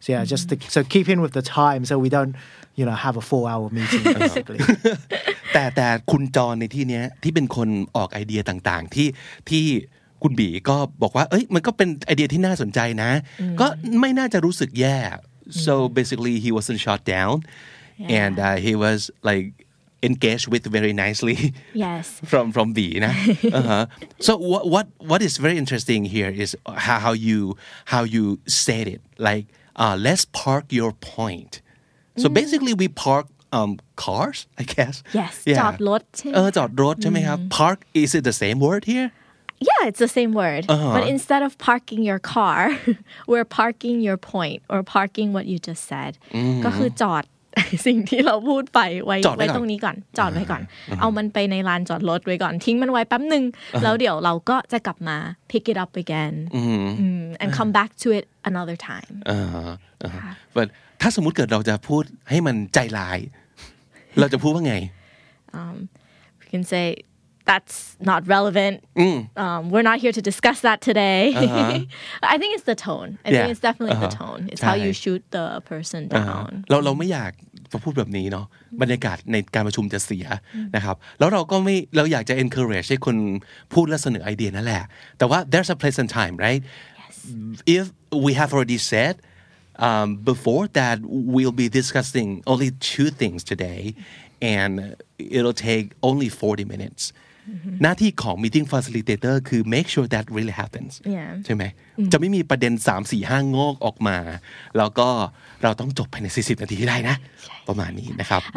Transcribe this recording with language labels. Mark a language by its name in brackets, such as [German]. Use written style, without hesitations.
[English] So, yeah, so keep in with the time so we don't, you know, have a 4-hour meeting basically. [Thai] แต่คุณจอนในที่เนี้ยที่เป็นคนออกไอเดียต่างๆที่คุณบีก็บอกว่าเอ้ยมันก็เป็นไอเดียที่น่าสนใจนะก็ไม่น่าจะรู้สึกแย่ [English] so basically he wasn't shot down yeah. and he was like engaged with very nicely yes from Bee นะ so what is very interesting here is how you said it like let's park your point so basically we parkcars I guess yes yeah. [Thai] จอดรถ จอดรถใช่ไหมครับ [English] park is it the same word here Yeah, it's the same word. Uh-huh. But instead of parking your car, we're parking your point or parking what you just said. [Thai] ก็คือจอดสิ่งที่เราพูดไปไว้ตรงนี้ก่อนจอดไว้ก่อนเอามันไปในลานจอดรถไว้ก่อนทิ้งมันไว้แป๊บนึงแล้วเดี๋ยวเราก็จะกลับมา [English] pick it up again and come back to it another time. [Thai] But ถ้าสมมุติเกิดเราจะพูดให้มันใจลายเราจะพูดว่าไง [English] We can say... That's not relevant. We're not here to discuss that today. Uh-huh. I think it's the tone. I think it's definitely the tone. It's how you shoot the person down. [Thai] เราไม่อยากพูดแบบนี้เนาะบรรยากาศในการประชุมจะเสียนะครับแล้วเราก็ไม่เราอยากจะ encourage ให้คนพูดและเสนอไอเดียนั่นแหละแต่ว่า [English] there's a place and time, right? Yes. If we have already said before that we'll be discussing only 2 things today, and it'll take only 40 minutes. [Thai] หน้าที่ของ [English] meeting facilitator คือ make sure that really happens yeah. [Thai] ใช่ไหม จะไม่มีประเด็น 3-4-5 งอกออกมาแล้วก็เราต้องจบภายใน40นาทีได้นะ ประมาณนี้นะครับ